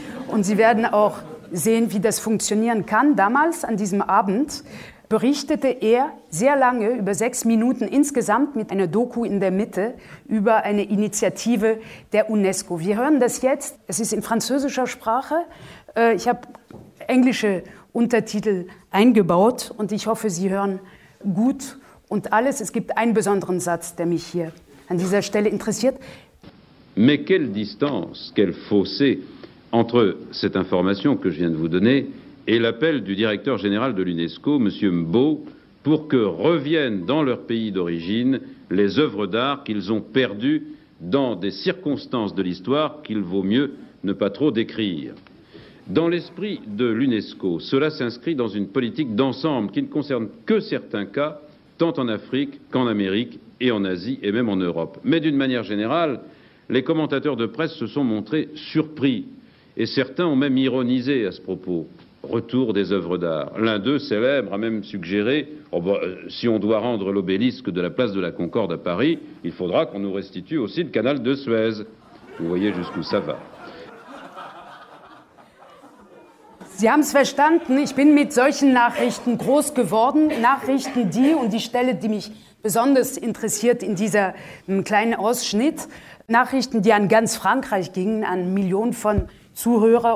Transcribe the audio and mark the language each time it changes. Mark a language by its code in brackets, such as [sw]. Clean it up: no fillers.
[de] Und Sie werden auch sehen, wie das funktionieren kann. Damals, an diesem Abend, berichtete er sehr lange, über 6 Minuten insgesamt, mit einer Doku in der Mitte, über eine Initiative der UNESCO. Wir hören das jetzt, es ist in französischer Sprache, ich habe englische Untertitel eingebaut und ich hoffe, Sie hören gut und alles. Es gibt einen besonderen Satz, der mich hier an dieser Stelle interessiert. [fr] Mais quelle distance, quel fossé entre cette information que je viens de vous donner et l'appel du directeur général de l'UNESCO, M. Mbeau, pour que reviennent dans leur pays d'origine les œuvres d'art qu'ils ont perdues dans des circonstances de l'histoire qu'il vaut mieux ne pas trop décrire. Dans l'esprit de l'UNESCO, cela s'inscrit dans une politique d'ensemble qui ne concerne que certains cas, tant en Afrique qu'en Amérique et en Asie et même en Europe. Mais d'une manière générale, les commentateurs de presse se sont montrés surpris et certains ont même ironisé à ce propos. Retour des œuvres d'art. L'un d'eux, célèbre, a même suggéré oh ben, si on doit rendre l'obélisque de la place de la Concorde à Paris, il faudra qu'on nous restitue aussi le canal de Suez. Vous voyez jusqu'où ça va. [de] Sie haben es verstanden, ich bin mit solchen Nachrichten groß geworden. Nachrichten, die und die Stelle, die mich besonders interessiert in dieser kleinen Ausschnitt, Nachrichten, die an ganz Frankreich gingen, an Millionen von Zuhörer.